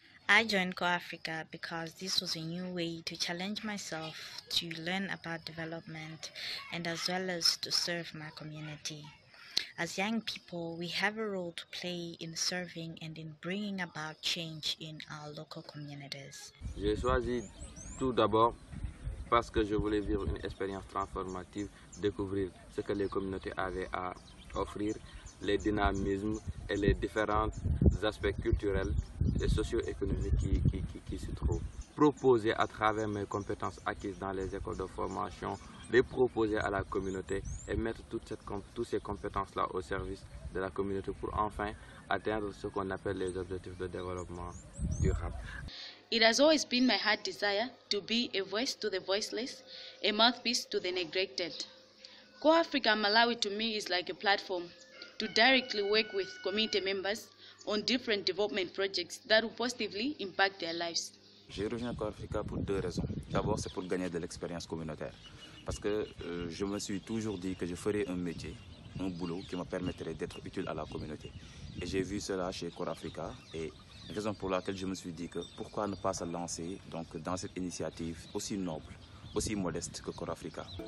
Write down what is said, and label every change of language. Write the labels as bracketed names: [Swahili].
[English] I joined CorpsAfrica because this was a new way to challenge myself to learn about development and as well as to serve my community. As young people, we have a role to play in serving and in bringing about change in our local communities. [French] J'ai choisi tout d'abord parce que je voulais vivre une expérience transformative, découvrir ce que les communautés avaient à offrir, les dynamismes et les différents aspects culturels et socio-économiques qui se trouvent. Proposer à travers mes compétences acquises dans les écoles de formation, les proposer à la communauté et mettre toutes ces compétences-là au service de la communauté pour enfin atteindre ce qu'on appelle les objectifs de développement durable. [English] It has always been my heart desire to be a voice to the voiceless, a mouthpiece to the neglected. CorpsAfrica Malawi to me is like a platform to directly work with community members on different development projects that will positively impact their lives. [French] J'ai rejoint CorpsAfrica pour deux raisons. D'abord, c'est pour gagner de l'expérience communautaire. Parce que je me suis toujours dit que je ferais un métier, un boulot qui me permettrait d'être utile à la communauté. Et j'ai vu cela chez CorpsAfrica et raison pour laquelle je me suis dit que pourquoi ne pas se lancer donc, dans cette initiative aussi noble, aussi modeste que CorpsAfrica.